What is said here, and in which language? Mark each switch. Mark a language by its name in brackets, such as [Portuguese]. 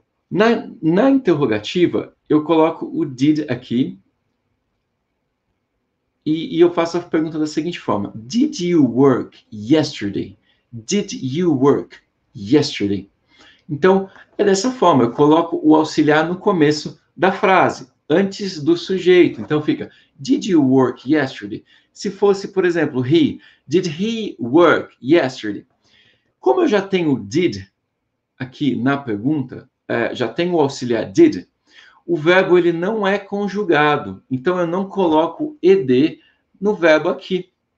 [Portuguese] Na interrogativa, eu coloco o did aqui e eu faço a pergunta da seguinte forma. [English] Did you work yesterday? Did you work yesterday? [Portuguese] Então, é dessa forma. Eu coloco o auxiliar no começo da frase, antes do sujeito. Então, fica, [English] did you work yesterday? [Portuguese] Se fosse, por exemplo, [English] he, did he work yesterday? [Portuguese] Como eu já tenho did aqui na pergunta, já tenho o auxiliar did, o verbo ele não é conjugado. Então, eu não coloco ed no verbo aqui.